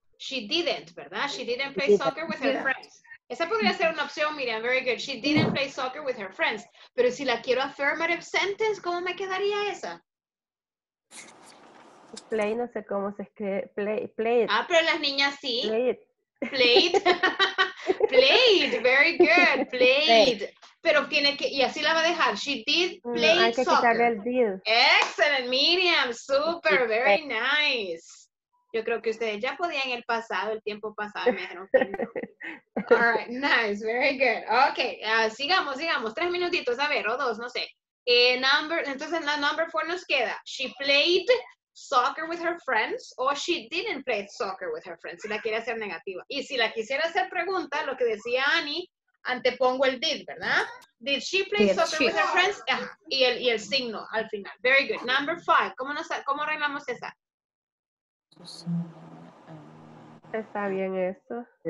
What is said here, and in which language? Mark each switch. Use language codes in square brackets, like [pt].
[en] She didn't, ¿verdad? She didn't play soccer with her friends. [es] Esa podría ser una opción, [en] Miriam. Very good. She didn't play soccer with her friends. [es] Pero si la quiero affirmative sentence, ¿cómo me quedaría esa? Play, no sé cómo se escribe. [en] Play it. [es] Ah, pero las niñas sí. [en] Played. Played. Very good. Played. [es] Pero tiene que, y así la va a dejar. [en] She did play soccer. [es] Hay que quitarle el did. [en] Excellent, Miriam. Super. Very nice. [es] Yo creo que ustedes ya podían el pasado, el tiempo pasado, me dijeron que no. [en] All right, nice, very good. [es] Ok, sigamos. Tres minutitos, a ver, o dos, no sé. Entonces, la number four nos queda. [en] She played soccer with her friends or she didn't play soccer with her friends. [es] Si la quiere hacer negativa. Y si la quisiera hacer pregunta, lo que decía Annie, antepongo el did, ¿verdad? [en] Did she play soccer with her friends? [es] Y el signo al final. [en] Very good. [es] Number five, ¿cómo arreglamos esa? Está bien eso.